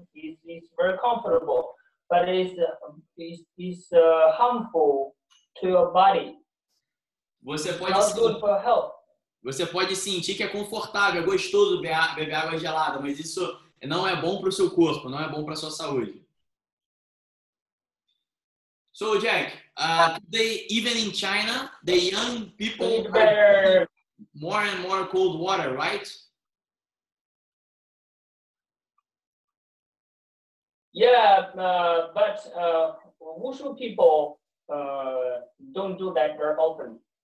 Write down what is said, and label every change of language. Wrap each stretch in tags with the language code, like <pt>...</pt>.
<en>It's very comfortable, but it's harmful to your body.</en> <pt>Você pode</pt> <en>not good for health.</en> <pt>Você pode sentir que é confortável, é gostoso beber água gelada, mas isso não é bom para o seu corpo, não é bom para a sua saúde.</pt> <en>So, Jack, today, even in China, the young people are drinking more and more cold water, right? Yeah, but Wushu people don't do that very often.</en>